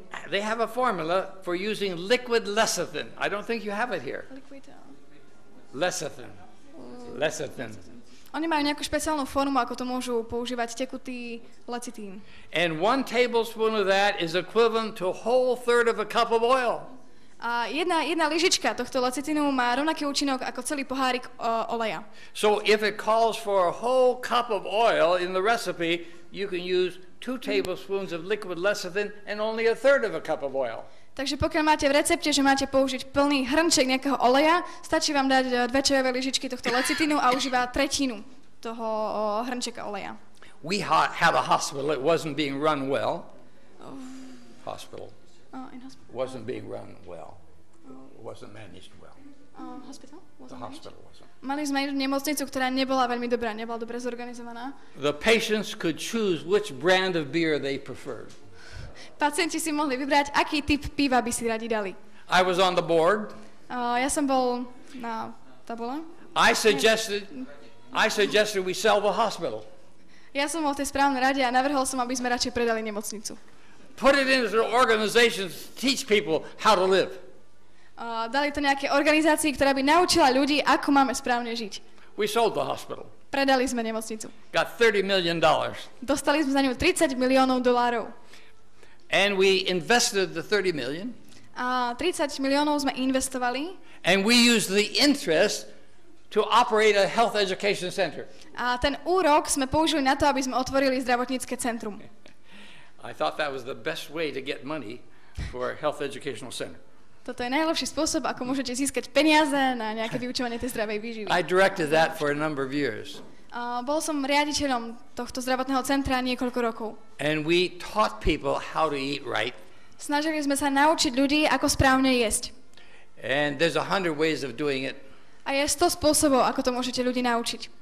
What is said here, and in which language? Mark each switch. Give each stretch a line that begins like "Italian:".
English: They have a formula for using liquid lecithin. I don't think you have it here. Lecithin.
Slovak: Oni majú nejakú špeciálnu formu, ako to môžu používať tekutý lecitín.
English: And one tablespoon of that is equivalent to a whole third of a cup of oil.
Slovak: A jedna lyžička tohto lecitinu má rovnaký účinok ako celý pohárik oleja.
English: So if it calls for a whole cup of oil in the recipe, you can use 2 tablespoons of liquid lecithin and only a third of a cup of oil.
Slovak: Takže pokiaľ máte v recepte, že máte použiť plný hrnček nejakého oleja, stačí vám dať 2 čajové lyžičky tohto lecitinu a už iba tretinu toho hrnčeka oleja.
English: We had a hospital, it wasn't being run well. Hospital. In hospital. Wasn't being run well. wasn't managed well. Hospital? The hospital wasn't.
Slovak: Mali sme nemocnicu, ktorá nebola veľmi dobrá, nebola dobre zorganizovaná.
English: The patients could choose which brand of beer they preferred.
Slovak: Pacienti si mohli vybrať, aký typ piva by si radi dali.
English: I was on the board.
Slovak: Ja som bol na tabule.
English: I suggested we sell the hospital.
Slovak: Ja som bol v tej správnej rade a navrhol som, aby sme radšej predali nemocnicu.
English: Put it into organizations to teach people how to live.
Slovak: Dali to nejaké organizácii, ktorá by naučila ľudí, ako máme správne žiť.
English: We sold the hospital.
Slovak: Predali sme nemocnicu.
English: Got $30 million.
Slovak: Dostali sme za ňu $30
English: million. And we invested the 30 million.
Slovak: A 30 miliónov sme investovali.
English: And we used the interest to operate a health education center.
Slovak: A ten úrok sme použili na to, aby sme otvorili zdravotnícke centrum.
English: I thought that was the best way to get money for a health educational center.
Slovak: Toto je najlepší spôsob, ako môžete získať peniaze na nejaké vyučovanie tej zdravej výživy.
English: I directed that for a number of years.
Slovak: Bol som riaditeľom tohto zdravotného centra niekoľko rokov.
English: And we taught people how to eat right.
Slovak: Snažili sme sa naučiť ľudí, ako správne jesť.
English: And there's 100 ways of doing it.
Slovak: A je 100 spôsobov, ako to môžete ľudí naučiť.